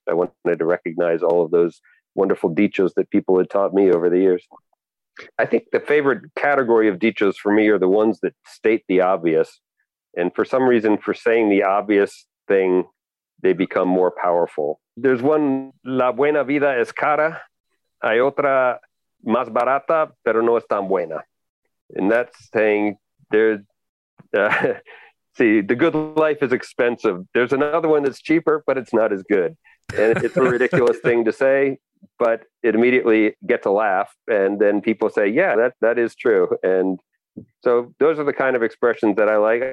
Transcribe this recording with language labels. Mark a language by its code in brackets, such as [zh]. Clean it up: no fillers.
[en] I wanted to recognize all of those wonderful dichos that people had taught me over the years. I think the favorite category of dichos for me are the ones that state the obvious. And for some reason, for saying the obvious thing, they become more powerful. There's one, [es] la buena vida es cara. Hay otra, más barata, pero no es tan buena. [en] And that's saying, see, the good life is expensive. There's another one that's cheaper, but it's not as good. And it's a ridiculous thing to say, but it immediately gets a laugh. And then people say, yeah, that is true. And so those are the kind of expressions that I like.